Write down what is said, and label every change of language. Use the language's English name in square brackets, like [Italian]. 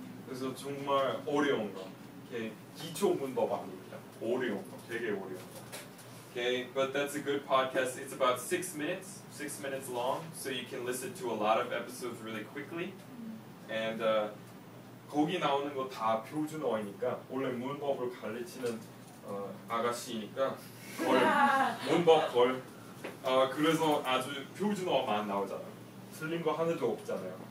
[Korean] 그래서 정말 어려운 거, 이렇게 기초 문법 아닙니다. 어려운 거, 되게 어려운 거. [English] Okay, but that's a good podcast. It's about six minutes long, so you can listen to a lot of episodes really quickly. [Korean] And 거기 나오는 거 다 표준어이니까 원래 문법을 가르치는 아가씨니까 걸 문법 걸 그래서 아주 표준어만 나오잖아요. 틀린 거 하나도 없잖아요.